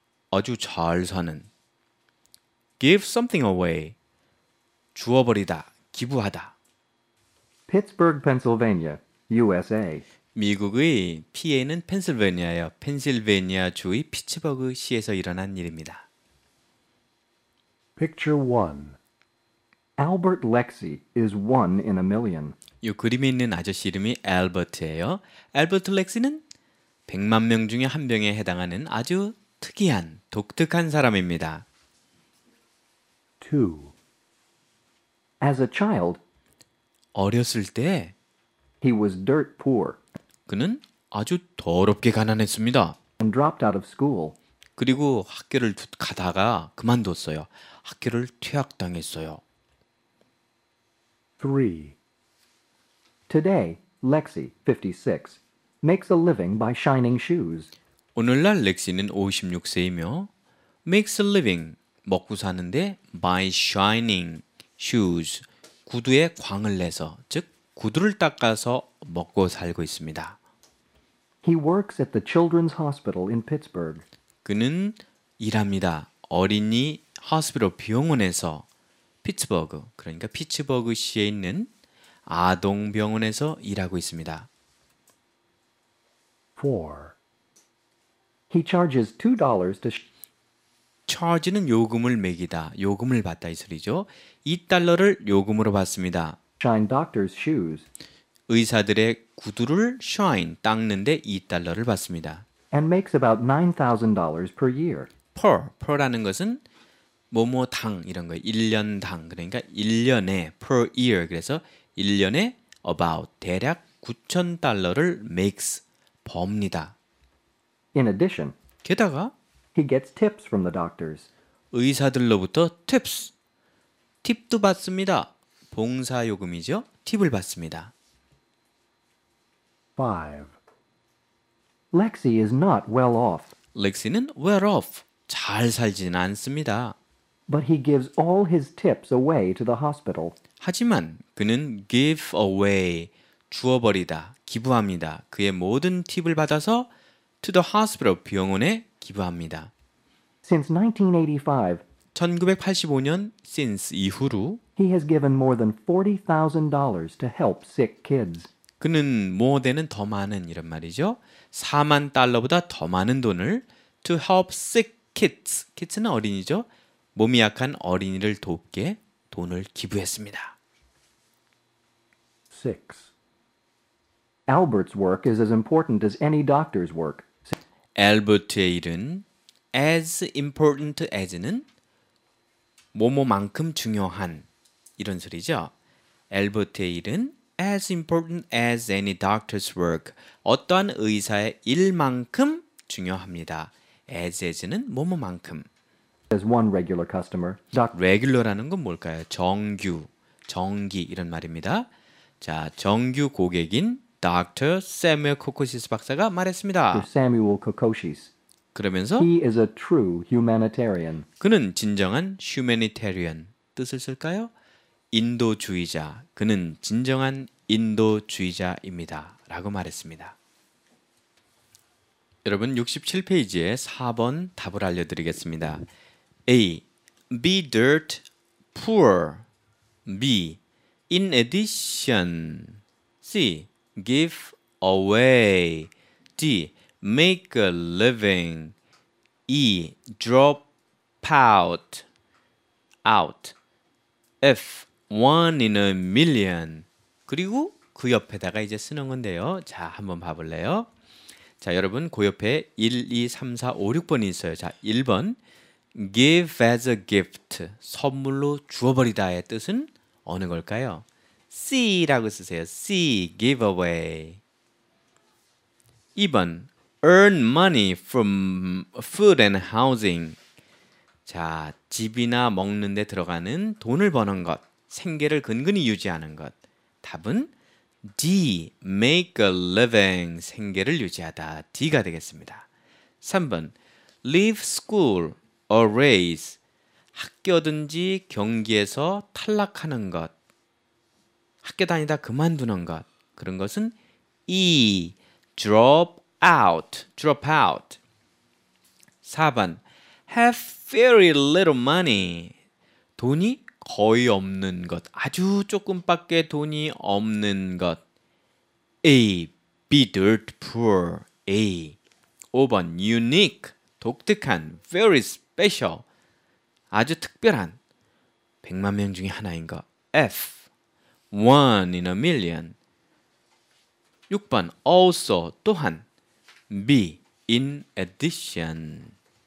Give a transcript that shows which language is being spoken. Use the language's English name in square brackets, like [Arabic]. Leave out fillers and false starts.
[Korean] 아주 잘 사는. [English] Give something away. [Korean] 주어버리다. 기부하다. [English] Pittsburgh, Pennsylvania, USA. [Korean] 미국의 PA는 펜실베니아예요. 펜실베니아 주의 피츠버그 시에서 일어난 일입니다. [English] Picture 1. Albert Lexie is one in a million. [Korean] 이 그림에 있는 아저씨 이름이 알버트예요. 알버트 렉시는 100만 명 중에 한 명에 해당하는 아주 특이한, 독특한 사람입니다. [English] 2. As a child, [Korean] 어렸을 때, [English] he was dirt poor. [Korean] 그는 아주 더럽게 가난했습니다. [English] And dropped out of school. [Korean] 그리고 학교를 가다가 그만뒀어요. 학교를 퇴학당했어요. [English] 3. Today, Lexi, 56, makes a living by shining shoes. [Korean] 오늘날 렉시는 56세이며 [English] makes a living, [Korean] 먹고 사는데 [English] by shining shoes, [Korean] 구두에 광을 내서, 즉 구두를 닦아서 먹고 살고 있습니다. [English] He works at the Children's Hospital in Pittsburgh. [Korean] 그는 일합니다. 어린이 hospital 병원에서 피츠버그, 그러니까 피츠버그시에 있는 아동병원에서 일하고 있습니다. [English] 4. He charges $2 to [Korean] charge는 요금을 매기다. 요금을 받다 이 소리죠. 2달러를 요금으로 받습니다. [English] Shine doctor's shoes. [Korean] 의사들의 구두를 shine 닦는데 2달러를 받습니다. [English] And makes about $9,000 per year. [Korean] per라는 것은 뭐뭐 당 이런 거예요. 1년당, 그러니까 1년에 [English] per year, [Korean] 그래서 1년에 about 대략 $9,000를 makes 법니다. [English] In addition, [Korean] 게다가 [English] he gets tips from the doctors. [Korean] 의사들로부터 tips, 팁도 받습니다. 봉사 요금이죠. 팁을 받습니다. [English] 5. Lexi is not well off. [Korean] Lexi는 well off, 잘 살진 않습니다. [English] But he gives all his tips away to the hospital. [Korean] 하지만 그는 [English] give away, [Korean] 주어버리다, 기부합니다. 그의 모든 팁을 받아서 [English] to the hospital, [Korean] 병원에 기부합니다. [English] Since 1985, [Korean] 1985년 since 이후로 [English] he has given more than $40,000 to help sick kids. [Korean] 그는 [English] more than [Korean] 은 더 많은 이런 말이죠. 4만 달러보다 더 많은 돈을 [English] to help sick kids. [Korean] kids는 어린이죠. 몸이 약한 어린이를 돕게 돈을 기부했습니다. [English] 6. Albert's work is as important as any doctor's work. [Korean] 알버트의 일은 [English] as important as [Korean] 는 뭐뭐만큼 중요한 이런 소리죠. 알버트의 일은 [English] as important as any doctor's work. [Korean] 어떠한 의사의 일만큼 중요합니다. as는 뭐뭐만큼. [English] As one regular customer. [Korean] Regular라는 건 뭘까요? 정규, 정기 이런 말입니다. 자, 정규 고객인 Dr. Samuel Kokosis 박사가 말했습니다. Samuel Kokosis. 그러면서 [English] He is a true humanitarian. [Korean] 그는 진정한 humanitarian 뜻을 쓸까요? 인도주의자. 그는 진정한 인도주의자입니다. 라고 말했습니다. 여러분, 67페이지에 4번 답을 알려드리겠습니다. [English] A. Be dirt poor. B. In addition. C. Give away. D. Make a living. E. Drop out. Out. F. One in a million. [Korean] 그리고 그 옆에다가 이제 쓰는 건데요. 자, 한번 봐볼래요? 자, 여러분, 그 옆에 1, 2, 3, 4, 5, 6번이 있어요. 자, 1번. [English] Give as a gift. [Korean] 선물로 주어버리다의 뜻은 어느 걸까요? C라고 쓰세요. [English] C, give away. [Korean] 2번 [English] earn money from food and housing. [Korean] 자, 집이나 먹는 데 들어가는 돈을 버는 것, 생계를 근근히 유지하는 것. 답은 D, make a living, 생계를 유지하다. D가 되겠습니다. 3번, [English] leave school or race, [Korean] 학교든지 경기에서 탈락하는 것, 학교 다니다 그만두는 것, 그런 것은 E, [English] drop out. [Korean] 4번, [English] have very little money, [Korean] 돈이 거의 없는 것, 아주 조금밖에 돈이 없는 것. A, [English] be dirt poor. [Korean] A. 5번, unique, 독특한, [English] very special, [Korean] 아주 특별한, 100만 명 중에 하나인 것. [English] F, one in a million. [Korean] 6번, also, 또한, B, in addition.